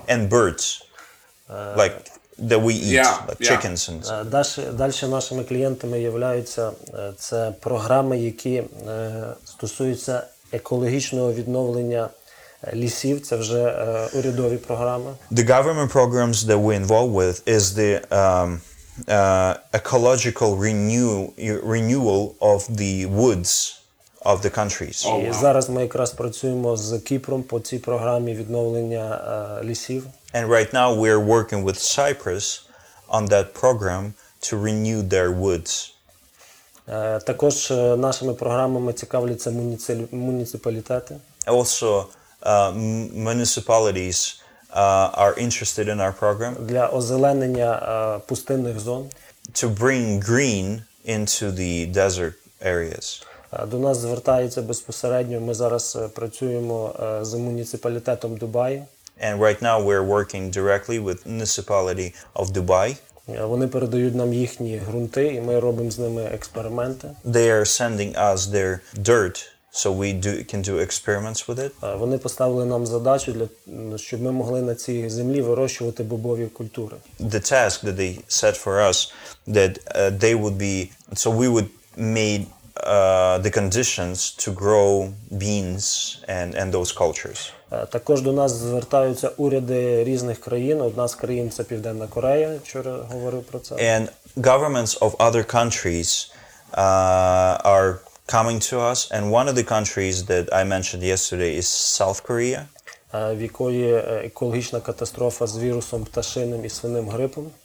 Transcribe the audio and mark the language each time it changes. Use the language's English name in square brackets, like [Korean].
[English] And birds. Like that we eat. Yeah, like yeah. Chickens and stuff. [Ukrainian] Далі нашими клієнтами являються це програми, які стосуються екологічного відновлення лісів. Це вже урядові програми. [English] The government programs that we involve with is the ecological renewal of the woods of the countries. Oh, wow. [Ukrainian] Зараз ми якраз працюємо з Кіпром по цій програмі відновлення лісів. [English] And right now we are working with Cyprus on that program to renew their woods. [Ukrainian] Також нашими програмами цікавляться муніципалітети. [English] Also municipalities are interested in our program [Ukrainian] для озеленення пустинних зон, [English] to bring green into the desert areas. [Ukrainian] До нас звертається безпосередньо, ми зараз працюємо з муніципалітетом Дубаї. [English] And right now we're working directly with municipality of Dubai. [Ukrainian] Вони передають нам їхні ґрунти, і ми робимо з ними експерименти. [English] They are sending us their dirt. So we can do experiments with it. [Ukrainian] Вони поставили нам задачу для щоб ми могли на цій землі вирощувати бобові культури. [English] The task that they set for us that they would be so we would made the conditions to grow beans and those cultures. [Ukrainian] Також до нас звертаються уряди різних країн. Одна з країн це Південна Корея, вчора говорив про це. [English] And governments of other countries are coming to us, and one of the countries that I mentioned yesterday is South Korea. [Ukrainian] В якої екологічна катастрофа з вірусом пташиним і свиним грипом.